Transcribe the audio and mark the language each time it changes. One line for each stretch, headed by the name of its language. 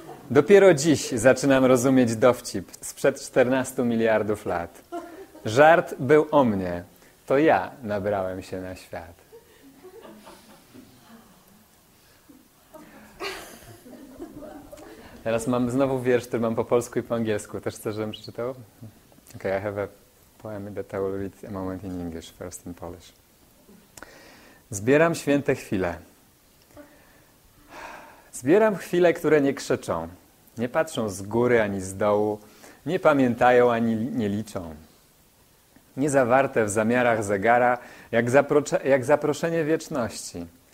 Polish: Dopiero dziś zaczynam rozumieć dowcip sprzed 14 miliardów lat. Żart był o mnie. To ja nabrałem się na świat. Teraz mam znowu wiersz, który mam po polsku i po angielsku. Też chcesz, żebym przeczytał?
English: Okay, I have a poem that I will read a moment in English, first in Polish.
Polish: Zbieram święte chwile. Zbieram chwile, które nie krzyczą. Nie patrzą z góry ani z dołu. Nie pamiętają ani nie liczą. Nie zawarte w zamiarach zegara, jak zaproszenie wieczności.